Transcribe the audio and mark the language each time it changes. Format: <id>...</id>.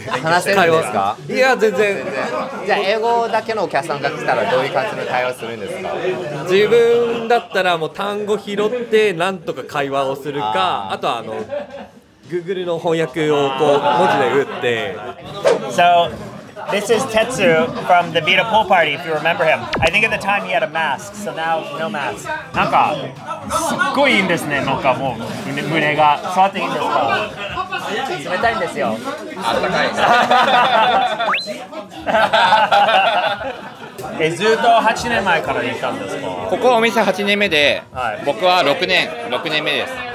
<ja>話せるんですか？いや全然。じゃあ英語だけのお客さんが来たらどういう感じの対応するんですか？自分だったらもう単語拾ってなんとか会話をするか、 あとはあのGoogle の翻訳をこう文字で打って。</ja> <en>So, this is Tetsu from the Vita pool party, if you remember him. I think at the time he had a mask, so now no mask.</en> <ja>なんかすっごいいいんですね、なんかもう胸が触っていいんですか？冷たいんですよ。あったかい。え、ずっと8年前から行ったんですか。ここお店8年目で、はい、僕は6年目です。</ja>